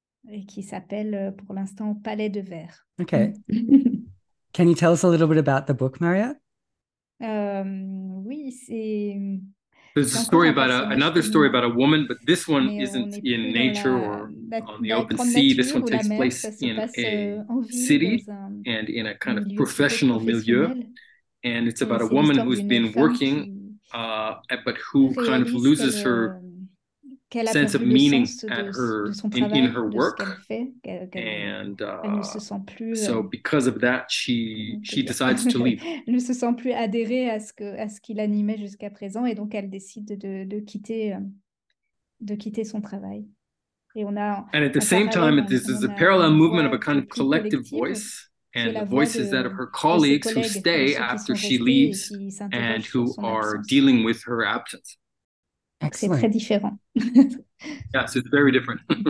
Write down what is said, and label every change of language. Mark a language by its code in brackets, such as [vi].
[fr] Et qui s'appelle pour l'instant Palais de Verre. [en] Okay. Can you tell us a little bit about the book, Mariette? [fr] Oui, c'est. [en] There's a story about another story about a woman, but this one isn't in nature or on the open sea. This one takes place in a city and in a kind of professional milieu. And it's about a woman who's been working, but who kind of loses her sense of meaning in her work. And so because of that, she decides to leave. [fr] Elle ne se sent plus adhérée à ce qui l'animait jusqu'à présent, et donc elle décide de quitter son travail. Et on a, [en] and at the same time, this is a parallel movement of a kind of collective voice, and the voice is that of her colleagues who stay after she leaves and who are dealing with her absence. [fr] Excellent. C'est très différent. [en] Yes, it's very different.